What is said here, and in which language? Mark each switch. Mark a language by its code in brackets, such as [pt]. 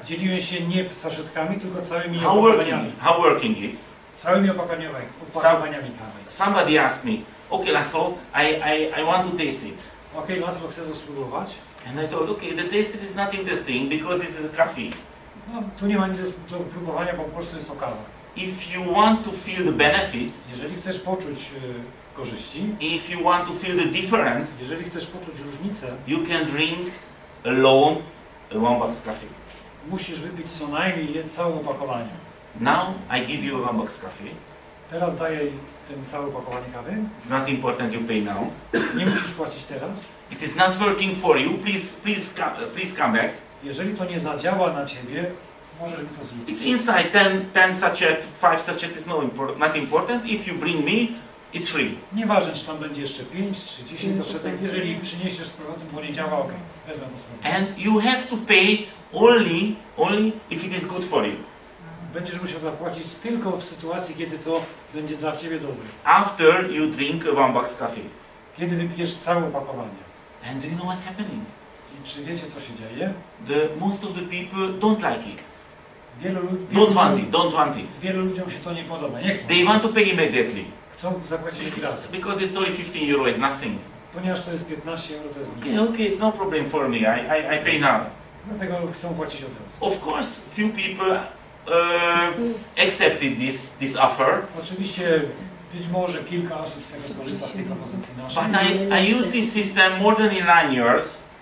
[pl] Dzieliłem się nie saszetkami, tylko całymi opakowaniami. [en] How working it? [pl] Całymi opakowaniami kawy. [en] Somebody asked me, okay, Laszlo, I want to taste it. [pl] Okay, Laszlo, chcę to spróbować. [en] And I told, okay, the taste is not interesting because this is a coffee. [pl] No, tu nie ma nic do próbowania, bo po prostu jest to kawa. [en] If you want to feel the benefit, [pl] jeżeli chcesz poczuć korzyści, [en] if you want to feel the different, [pl] jeżeli chcesz poczuć różnicę, [en] you can drink alone box coffee. [pl] Musisz wypić co najmniej całe opakowanie. [en] Now I give you a one box coffee. [pl] Teraz daję ten całe opakowanie kawy. [en] It's not important you pay now. [pl] Nie musisz płacić teraz. [en] It is not working for you. Please come back. [pl] Jeżeli to nie zadziała na ciebie, możesz mi to zrobić. [en] It's inside ten sachet, five sachet is not important. If you bring me, it's free. [pl] Nieważne, czy tam będzie jeszcze 5 czy 10 saszetek, jeżeli przyniesiesz z powrotem, bo nie działa, ok, wezmę to sobie. [en] And you have to pay only if it is good for you. [pl] będziesz musiał zapłacić tylko w sytuacji, kiedy to będzie dla ciebie dobre. [en] After you drink one box coffee. [pl] Kiedy wypijesz całe opakowanie. [en] And do you know what's happening? [pl] I czy wiecie, co się dzieje? [en] The most of the people don't like it. Don't want it. [pl] Wielu ludziom się to nie podoba. Nie chcą. [en] They want to pay immediately. [pl] Chcą zapłacić od razu. [en] Because it's only 15 euro, it's nothing. [pl] Ponieważ to jest 15 euro, to jest nic. [en] Okay, it's no problem for me. I pay now. [pl] Dlatego chcą płacić od razu. [en] Of course, few people accepted this offer. [pl] Oczywiście, być może kilka osób z tego skorzysta, z tej propozycji naszej. [en] But I use this system more than in 9 years.